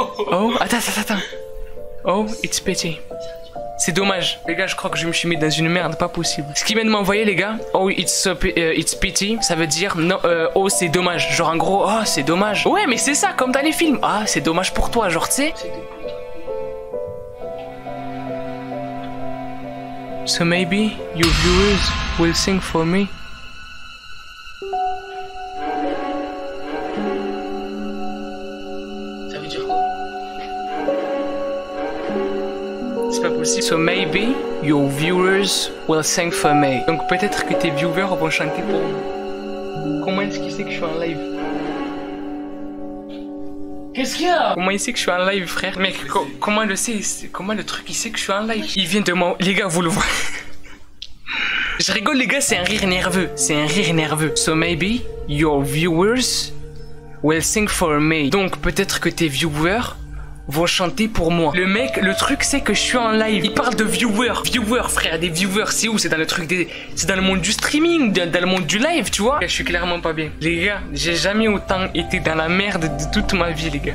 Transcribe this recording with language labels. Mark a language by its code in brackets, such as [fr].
[fr] Oh, attends. [en] Oh, it's pity. [fr] C'est dommage. Les gars, je crois que je me suis mis dans une merde, pas possible. Ce qu'il vient de m'envoyer, les gars, [en] it's pity, [fr] ça veut dire, oh, c'est dommage. Genre, en gros, oh, c'est dommage. Ouais, mais c'est ça, comme dans les films. Ah, c'est dommage pour toi, genre, tu sais. [en] So maybe your viewers will sing for me. [fr] Ça veut dire quoi? C'est pas possible. [en] So maybe your viewers will sing for me. [fr] Donc peut-être que tes viewers vont chanter pour moi. Comment est-ce qu'il sait que je suis en live? Qu'est-ce qu'il y a? Comment il sait que je suis en live, frère? Mec, comment le sait? Comment le truc il sait que je suis en live? Il vient de moi. Les gars, vous le voyez? Je rigole les gars, c'est un rire nerveux. [en] So maybe your viewers will sing for me. [fr] Donc peut-être que tes viewers vont chanter pour moi. Le mec, le truc c'est que je suis en live. Il parle de viewers. Viewers frère, des viewers, c'est où? C'est dans le truc des... C'est dans le monde du streaming, dans le monde du live, tu vois. Je suis clairement pas bien. Les gars, j'ai jamais autant été dans la merde de toute ma vie les gars.